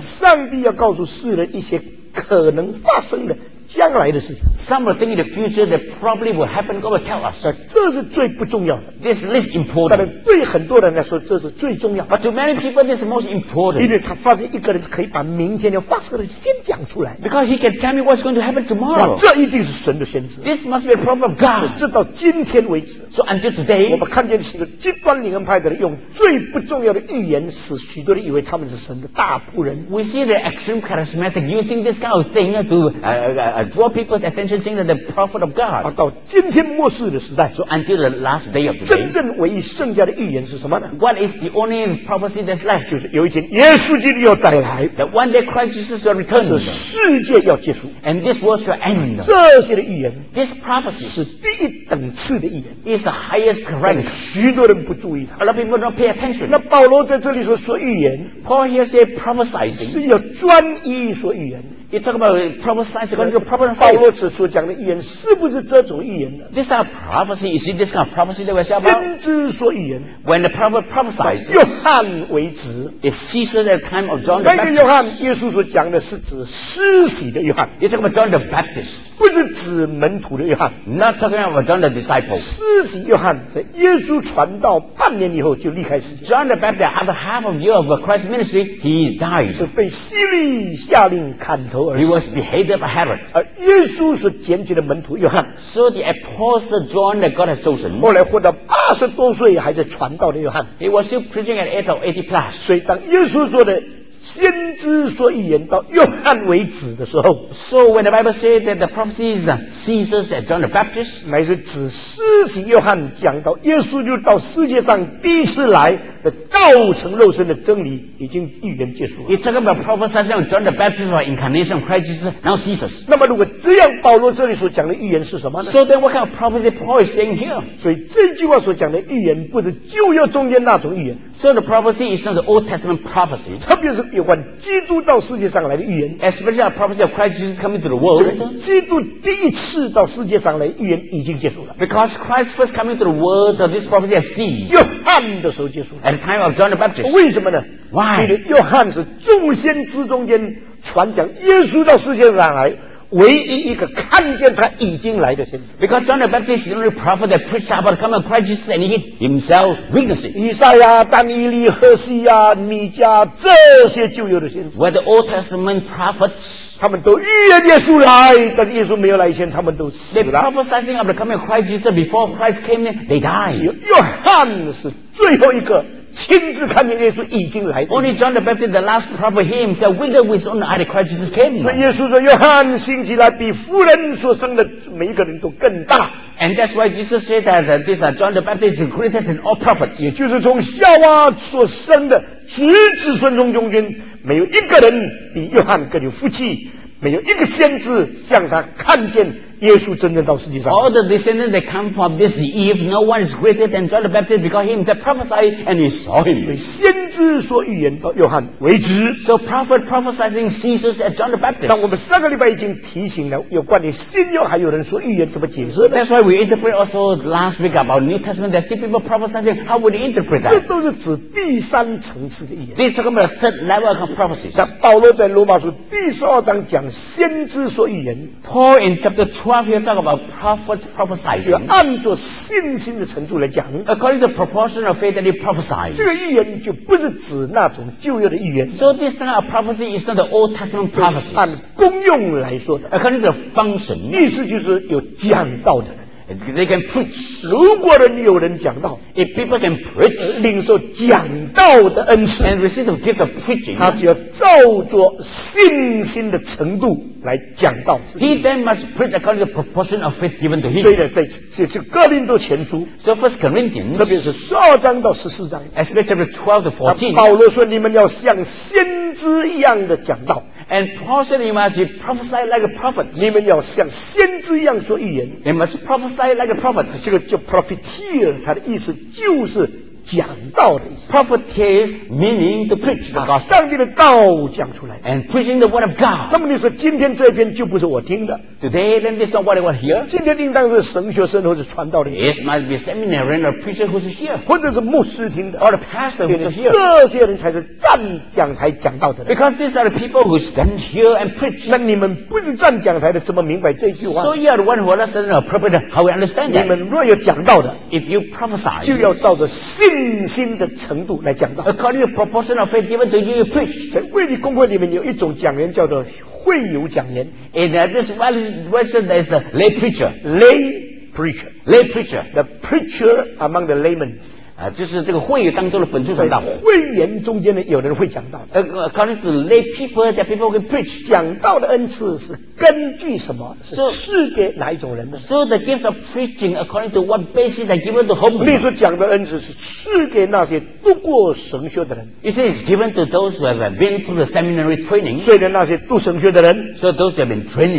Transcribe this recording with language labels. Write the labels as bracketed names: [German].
[Chinese] 上帝要告诉世人一些可能发生的将来的事情。 [English] Some are thinking the future that probably will happen. God will tell us. [Chinese] 这是最不重要的。 [English] This is least important. [Chinese] 但是对很多人来说，这是最重要的。 [English] But to many people, this is most important. [Chinese] 因为他发现一个人可以把明天要发生的先讲出来。 [English] Because he can tell me what's going to happen tomorrow. [Chinese] 这一定是神的先知。 [English] This must be a prophet of God. [Chinese] 直到今天为止。 [English] So until today, [Chinese] 我们看见许多极端灵恩派的人用最不重要的预言，使许多人以为他们是神的大仆人。 [English] We see the extreme charismatic using this kind of thing to draw people's attention. Think that the prophet of God. [Chinese] 到今天末世的时代。 [English] So until the last day of the day. [Chinese] 真正唯一剩下的预言是什么呢 [English] ？What is the only prophecy that's left? [Chinese] 就是有一天耶稣基督要再来。 [English] That one day Christ Jesus will return. [Chinese] 是世界要结束。 [English] And this world shall end. [Chinese] 这些的预言 [English] ，this prophecy [Chinese] 是第一等次的预言。 [English] Is the highest rank. [Chinese] 许多人不注意它。 [English] A lot of people don't pay attention. [Chinese] 那保罗在这里说预言 [English] ，Paul here say prophesying [Chinese] 是要专一说预言。 [English] You talk about prophesying, going to prophesy. [Chinese] 保罗此处讲的预言是不是这种预言呢 [English] ？This kind of prophecy, you see, this kind of prophecy that we're talking about. [Chinese] 先知说预言。 [English] When the prophet prophesies, [Chinese] 约翰为止 [English] ，is Caesar the time of John the Baptist? [Chinese] 那个约翰，耶稣所讲的是指施洗的约翰。 [English] You talk about John the Baptist, [Chinese] 不是指门徒的约翰。 [English] Not talking about John the disciple. [Chinese] 施洗约翰在耶稣传道半年以后就离开世界。 [English] John the Baptist, after half a year of Christ's ministry, he died. [Chinese] 是被希律下令砍头。 [English] He was beheaded by Herod. [Chinese] 而耶稣是拣选的门徒约翰。 [English] So the apostle John that God has chosen. [Chinese] 后来活到80多岁还在传道的约翰。 [English] He was still preaching at the age of 80 plus. [Chinese] 所以当耶稣说的先知说预言到约翰为止的时候 [English] ，So when the Bible says that the prophecies ceases at John the Baptist, [Chinese] 乃是指施洗约翰讲到耶稣就到世界上第一次来。的道成肉身的真理已经预言结束了。 [English] It's talking about prophesying John the Baptist of incarnation of Christ Jesus, now Jesus. [Chinese] 那么如果这样，保罗这里所讲的预言是什么呢 [English] ？So then, what kind of prophecy Paul is saying here? [Chinese] 所以这句话所讲的预言，不是旧约中间那种预言。 [English] So the prophecy is not the Old Testament prophecy. [Chinese] 特别是有关基督到世界上来的预言 [English] ，especially a prophecy of Christ Jesus coming to the world. [Chinese] 基督第一次到世界上来预言已经结束了。 [English] Because Christ first coming to the world, this prophecy has ceased. [Chinese] 约翰的时候结束。 [English] At the time of John the Baptist. [Chinese] 为什么呢 [English] ？Why? [Chinese] 因为约翰是众先知中间传讲耶稣到世界上来。唯一一个看见他已经来的先知 [English] ，Because John the Baptist is the only prophet that preached about the coming of Christ Jesus, and he himself witnessed. [Chinese] 以赛亚、但以利、何西亚、弥迦这些旧约的先知 [English] ，Where the Old Testament prophets, [Chinese] 他们都预言耶稣来，但耶稣没有来前，他们都死了。 [English] They prophesying of the coming of Christ Jesus before Christ came, they died. [Chinese] 只有约翰是最后一个。亲自看见耶稣已经来。 [English] Only John the Baptist, the last prophet, he himself witnessed with his own eyes Christ Jesus came. [Chinese] 所以耶稣说：“约翰兴起来，比妇人所生的每一个人都更大。” [English] And that's why Jesus said that this John the Baptist is greater than all prophets. [Chinese] 也就是从夏娃所生的直子孙中中间，没有一个人比约翰更有福气，没有一个先知像他看见。耶稣真正到世界上。 [English] All the descendants that come from this Eve, no one is greater than John the Baptist because he himself prophesied and he saw him. [Chinese] 所以先知说预言到约翰为止。 [English] So prophet prophesying Jesus at John the Baptist. [Chinese] 但我们上个礼拜已经提醒了，有关于新约还有人说预言怎么解释的。 [English] That's why we interpret also last week about New Testament. There's still people prophesying. How would you interpret that? [Chinese] 这都是指第三层次的预言。 [English] This is talking about the third level of prophecy. [Chinese] 那保罗在罗马书第十二章讲先知说预言。 [English] Paul in chapter 12Here talk about prophets prophesying. [Chinese] 就按照信心的程度来讲 [English] ，according to the proportion of faith that he prophesies. [Chinese] 这个预言就不是指那种旧约的预言。 [English] So this kind of prophecy is not the Old Testament prophecy. [Chinese] 按功用来说的 [English] ，according to the function. [Chinese] 意思就是有讲道的。 [English] They can preach. [Chinese] 如果人有人讲道 [English] ，if people can preach, [Chinese] 领受讲道的恩赐 [English] ，and receive the gift of preaching, [Chinese] 他就要照着信心的程度来讲道。 [English] He then must preach according to the proportion of faith given to him. [Chinese] 所以呢，在哥林多前书 [English] ，so First Corinthians, [Chinese] 特别是十二章到十四章 [English] ，especially 12 to 14, [Chinese] 保罗说你们要像先知一样的讲道。 [English] And Paul said, "You must prophesy like a prophet." [Chinese] 你们要像先知一样说预言。 [English] You must prophesy like a prophet. [Chinese] 这个叫 prophetia， 它的意思就是讲道的意思。 [English] Prophetess meaning to preach the gospel. [Chinese] 把上帝的道讲出来。 [English] And preaching the word of God. [Chinese] 那么你说今天这篇就不是我听的 [English] ？Today, then this is not what I want to hear. [Chinese] 今天应当是神学生或者传道的。 [English] It must be seminarian or preacher who's here. [Chinese] 或者是牧师听的 [English] ，or the pastor who's here. [Chinese] 这些人才是站讲台讲道的人。 [English] Because these are the people who stand here and preach. [Chinese] 那你们不是站讲台的，怎么明白这句话 [English] ？So you are the one who understand the prophet. How we understand that? [Chinese] 你们若有讲道的 [English] ，if you prophesy， [Chinese] 就要照着信心的程度来讲道。 [English] According to the proportion of faith given to you, you preach. [Chinese] 在卫理公会里面有一种讲员叫做会友讲员。 [English] And this version is the lay preacher. Lay preacher. Lay preacher. The preacher among the laymen. [Chinese] 就是这个会友当中的本质上道。会员中间的有人会讲道。 [English] According to the lay people, that people can preach. [Chinese] 讲道的恩赐是根据什么？是赐给哪一种人呢 [English] ？So the gift of preaching according to what basis are given to whom? [Chinese] 例如讲的恩赐是赐给那些读过神学的人。 [English] It is given to those who have been through the seminary training. [Chinese] 所以那些读神学的人 [English] ，So those who have been trained in seminary,